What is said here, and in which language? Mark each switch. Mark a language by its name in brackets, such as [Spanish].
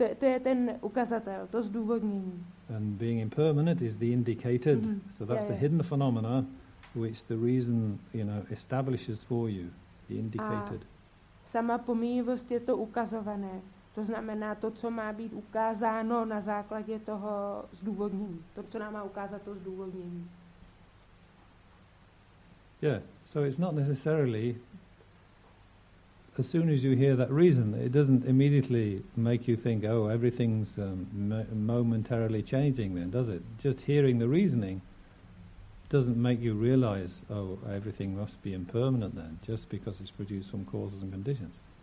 [Czech] Je, to je ten ukazatel, to zdůvodnění. [English] And being impermanent is the indicated, so that's the hidden phenomena which the reason, you know, establishes for you, the indicated. [Czech] Sama pomývost je to ukazované, to znamená to, co má být ukázáno na základě toho zdůvodnění, to, co nám má ukázat to zdůvodnění. [English] Yeah, so it's not necessarily, as soon as you hear that reason, it doesn't immediately make you think, oh, everything's momentarily changing then, does it? Just hearing the reasoning doesn't make you realize, oh, everything must be impermanent then, just because it's produced from causes and conditions.